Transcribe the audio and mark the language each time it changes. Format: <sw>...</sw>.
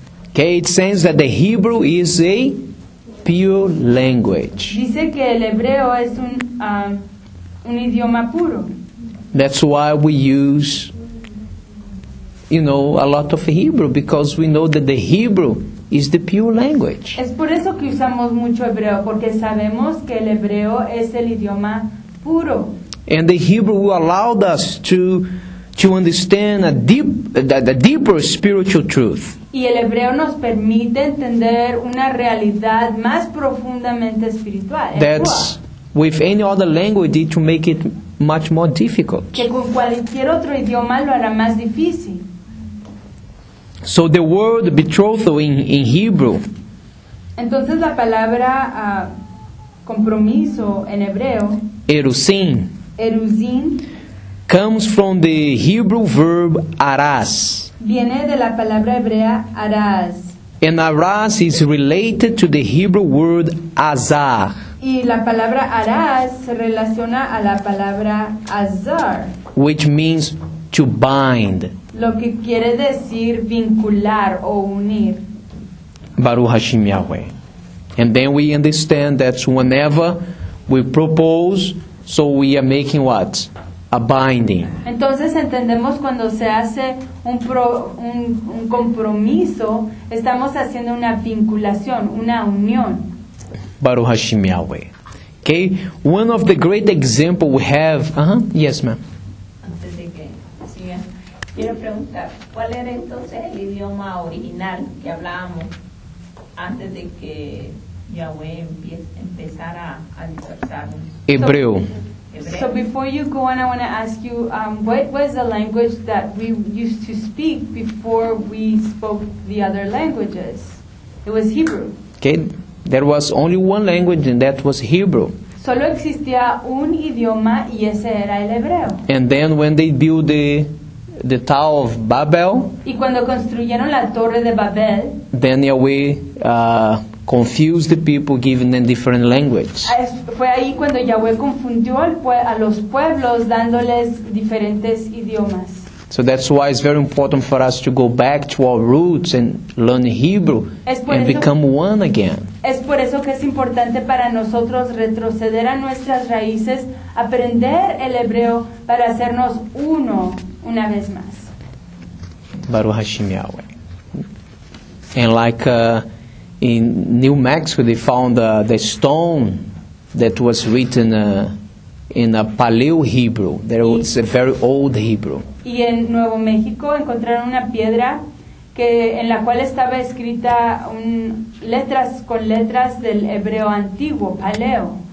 <en>Okay, it says that the Hebrew is a pure language.</en> <es>Dice que el hebreo es un idioma puro.</es> <en>That's why we use, you know, a lot of Hebrew, because we know that the Hebrew is the pure language.</en> <es>Es por eso que usamos mucho hebreo, porque sabemos que el hebreo es el idioma puro.</es> <en>And the Hebrew allowed us to understand a deeper spiritual truth.</en> <es>Y el hebreo nos permite entender una realidad más profundamente espiritual.</es> <en>That's with any other language to make it much more difficult.</en> <es>Que con cualquier otro idioma lo hará más difícil.</es> <en>So the word betrothal in Hebrew.</en> <es>Entonces la palabra compromiso en hebreo.</es> <en>Eruzin. Comes from the Hebrew verb aras.</en> <es>Viene de la palabra hebrea aras.</es> <en>And aras is related to the Hebrew word azar.</en> <es>Y la palabra arás se relaciona a la palabra azar,</es> <en>which means to bind.</en> <es>Lo que quiere decir vincular o unir.</es> <he>Baruch Hashem Yahweh.</he> <en>And then we understand that whenever we propose, so we are making what? A binding.</en> <es>Entonces entendemos cuando se hace un compromiso, estamos haciendo una vinculación, una unión.</es> <he>Baruch Hashem Yahweh.</he> <en>Okay, one of the great examples we have. Yes, ma'am.</en> <es>Antes de que siga, quiero preguntar, ¿cuál era entonces el idioma original que hablábamos antes de que Yahweh empezara a dispersarnos? Hebreo.</es> <en>So before you go on, I want to ask you, what was the language that we used to speak before we spoke the other languages? It was Hebrew. Okay. There was only one language, and that was Hebrew.</en> <es>Solo existía un idioma, y ese era el hebreo.</es> <en>And then when they built the Tower of Babel,</en> <es>y cuando construyeron la Torre de Babel,</es> <en>then Yahweh confused the people, giving them different language.</en> <es>Fue ahí cuando Yahweh confundió a los pueblos, dándoles diferentes idiomas.</es> <en>So that's why it's very important for us to go back to our roots and learn Hebrew and become one again.</en> <es>Es por eso que es importante para nosotros retroceder a nuestras raíces, aprender el hebreo para hacernos uno una vez más.</es> <he>Baruch Hashem Yahweh.</he> <en>And like in New Mexico, they found the stone that was written in a Paleo Hebrew. There was a very old Hebrew.</en> <es>Y en Nuevo México encontraron una piedra que en la cual estaba escrita letras con letras del hebreo antiguo, paleo.</es>